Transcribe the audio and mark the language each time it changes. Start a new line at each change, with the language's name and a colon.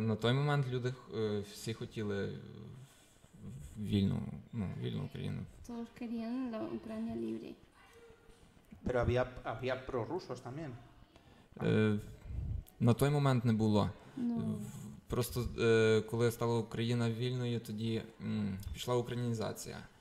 Ukrainian: На той момент люди всі хотіли вільну, ну, вільну Україну.
Spanish: Todos querían la Ucrania libre. Pero había, había prorrusos también.
Ukrainian: На той момент не було. Просто коли стала Україна вільною, тоді пішла українізація.